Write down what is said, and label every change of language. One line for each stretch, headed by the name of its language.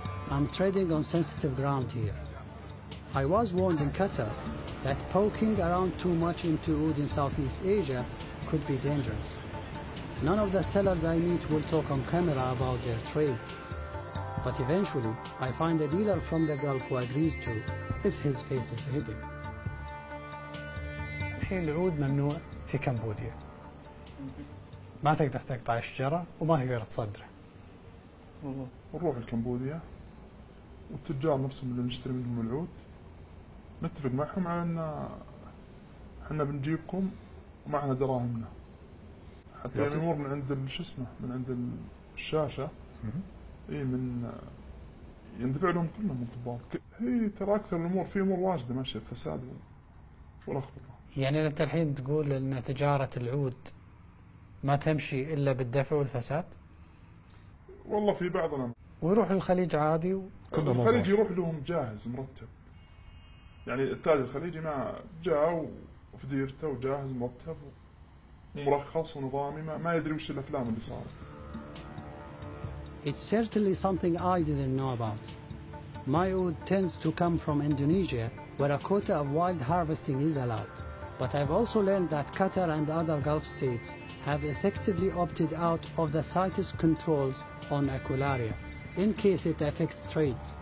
English: I'm treading on sensitive ground here. I was warned in Qatar that poking around too much into oud in Southeast Asia could be dangerous. None of the sellers I meet will talk on camera about their trade. But eventually, I find a dealer from the Gulf who agrees to if his face is hidden.
Arabic: Oud mamnoo' fi Cambodia. ما تقدر تقطع الشجرة وما تقدر تصدره نروح لكمبوديا والتجار نفسهم اللي نشتري منهم العود نتفق معهم على ان احنا بنجيبكم ومعنا دراهمنا حتى الامور من عند شو اسمه من عند الشاشه اي من يندفع لهم كلهم انضباط هي ترى اكثر الامور في امور واجده ماشيه فساد ولخبطه يعني انت الحين تقول ان تجاره العود ما تمشي الا بالدفع والفساد والله في بعضنا ويروح الخليج عادي الخليج يروح لهم جاهز مرتب يعني التاجر الخليجي ما جاء وفي ديرته وجاهز مرتب ومرخص ونظامي ما يدري وش الافلام اللي صارت
English: It's certainly something I didn't know about. My oud tends to come from Indonesia, where a quota of wild harvesting is allowed. But I've also learned that Qatar and other Gulf states have effectively opted out of the CITES controls on aquelaria, in case it affects trade.